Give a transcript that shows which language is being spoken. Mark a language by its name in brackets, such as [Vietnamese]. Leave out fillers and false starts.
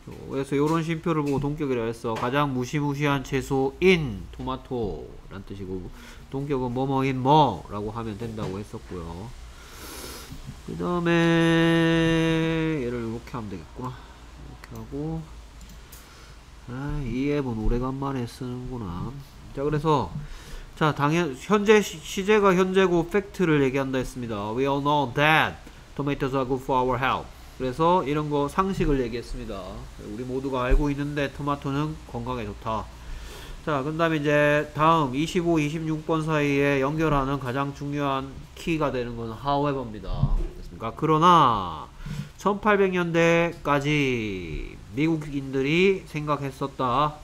[Korean] 그래서 이런 쉼표를 보고 동격이라 했어. 가장 무시무시한 채소인 토마토란 뜻이고, 동격은 뭐뭐인 뭐라고 하면 된다고 했었고요. 그 다음에 얘를 이렇게 하면 되겠구나. 하고, 아, 이 앱은 오래간만에 쓰는구나. 자, 그래서, 자, 당연, 현재, 시제가 현재고, 팩트를 얘기한다 했습니다. [English] We all know that tomatoes are good for our health. [Korean] 그래서, 이런 거 상식을 얘기했습니다. 우리 모두가 알고 있는데, 토마토는 건강에 좋다. 자, 그 다음에 이제, 다음, 25, 26번 사이에 연결하는 가장 중요한 키가 되는 건 however입니다. 그러니까 그러나, 1800년대까지 미국인들이 생각했었다.